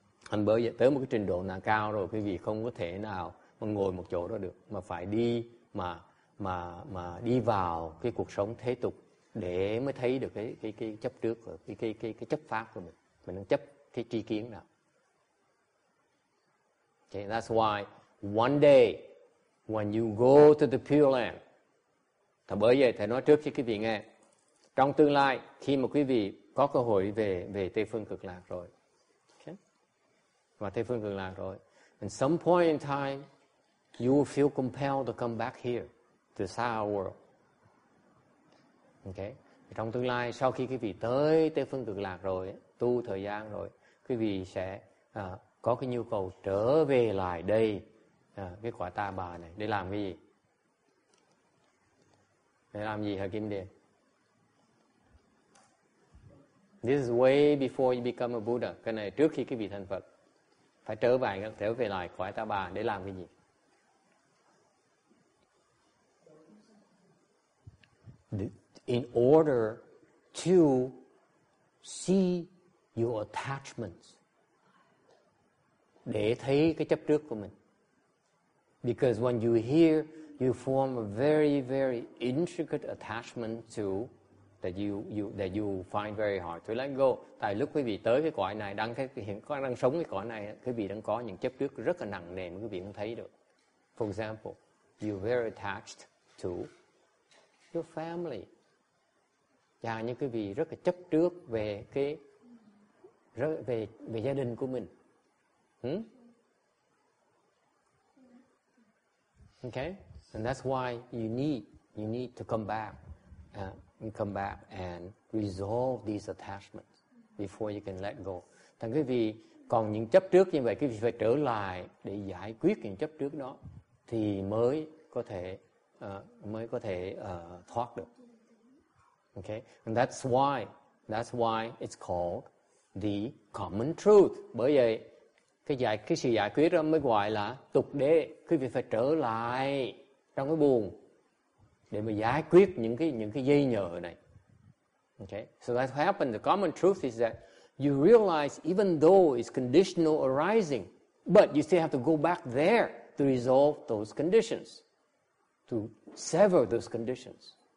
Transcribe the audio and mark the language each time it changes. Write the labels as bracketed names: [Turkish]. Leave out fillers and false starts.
[Vietnamese] Anh bởi vậy tới một cái trình độ nào cao rồi, quý vị không có thể nào mà ngồi một chỗ đó được, mà phải đi mà đi vào cái cuộc sống thế tục để mới thấy được cái chấp trước, cái chấp pháp của mình. Mình đang chấp cái tri kiến nào. [English] Okay, that's why one day when you go to the Pure Land, [Vietnamese] thầy bởi vậy thầy nói trước cho quý vị nghe, trong tương lai khi mà quý vị có cơ hội về Tây Phương Cực Lạc rồi, okay, và Tây Phương Cực Lạc rồi, [English] at some point in time you will feel compelled to come back here to the higher world. Okay. [Vietnamese] Trong tương lai, sau khi quý vị tới Tây Phương Cực Lạc rồi, tu thời gian rồi, quý vị sẽ có cái nhu cầu trở về lại đây, cái quả ta bà này, để làm cái gì? Để làm gì hả Kim Điền? [English] This is way before you become a Buddha. [Vietnamese] Cái này trước khi quý vị thành Phật. Phải trở về lại quả ta bà để làm cái gì? [English] In order to see your attachments. [Vietnamese] Để thấy cái chấp trước của mình. [English] Because when you hear, you form a very, very intricate attachment to that you find very hard to let go. [Vietnamese] Tại lúc quý vị tới cái cõi này, đang sống cái cõi này, quý vị đang có những chấp trước rất là nặng nề mà quý vị không thấy được. [English] For example, you're very attached to your family. [Vietnamese] Và như quý vị rất là chấp trước về về gia đình của mình. [English] Okay? And that's why you need to come back and resolve these attachments before you can let go. [Vietnamese] Thành quý vị còn những chấp trước như vậy, quý vị phải trở lại để giải quyết những chấp trước đó thì mới có thể thoát được. [English] Okay, and that's why it's called the common truth. [Vietnamese] Bởi vậy cái sự giải quyết đó mới gọi là tục đế. Quý vị phải trở lại trong cái buồng để mà giải quyết những cái dây nhờ này. [English] Okay, so that's what happened. The common truth is that you realize even though it's conditional arising, but you still have to go back there to resolve those conditions, to sever those conditions.